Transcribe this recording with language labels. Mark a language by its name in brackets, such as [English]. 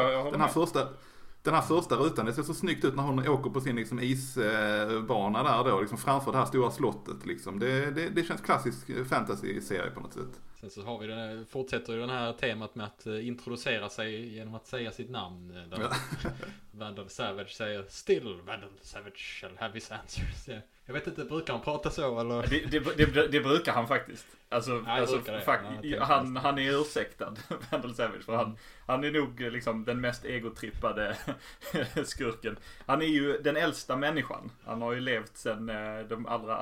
[Swedish] Jo, den här första rutan, det ser så snyggt ut när hon åker på sin liksom isbana där då, liksom framför det här stora slottet liksom. Det känns klassisk fantasy-serie på något sätt. Sen så har vi fortsätter ju den här temat med att introducera sig genom att säga sitt namn. Där Vandal Savage säger, [English] still Vandal Savage shall have his answers. [Swedish] Jag vet inte, brukar han prata så eller? Det brukar han faktiskt. Alltså, ja, alltså, han är ursäktad, Vandal Savage, för han är nog liksom den mest egotrippade skurken. Han är ju den äldsta människan. Han har ju levt sedan de allra...